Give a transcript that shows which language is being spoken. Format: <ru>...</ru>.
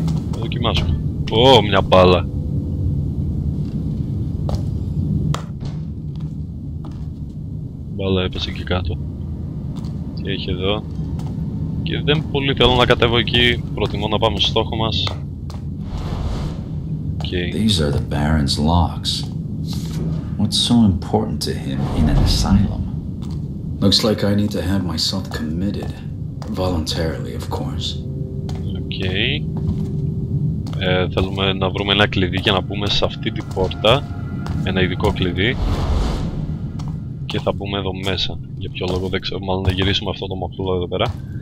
<el>Θα δοκιμάσουμε. Ω, μια μπάλα. Μπάλα έπεσε εκεί κάτω. Τι έχει εδώ? Και δεν πολύ θέλω να κατέβω εκεί. Προτιμώ να πάμε στο στόχο μας.</el> <en>These are the Baron's locks. What's so important to him in an asylum? Looks like I need to have myself committed. Voluntarily, of course. Okay.</en> <el>Θέλουμε να βρούμε ένα κλειδί για να μπούμε σε αυτή την πόρτα. Ένα ειδικό κλειδί. Και θα μπούμε εδώ μέσα. Για ποιο λόγο δεν ξέρω, μάλλον να γυρίσουμε αυτό το μαχλό εδώ πέρα.</el>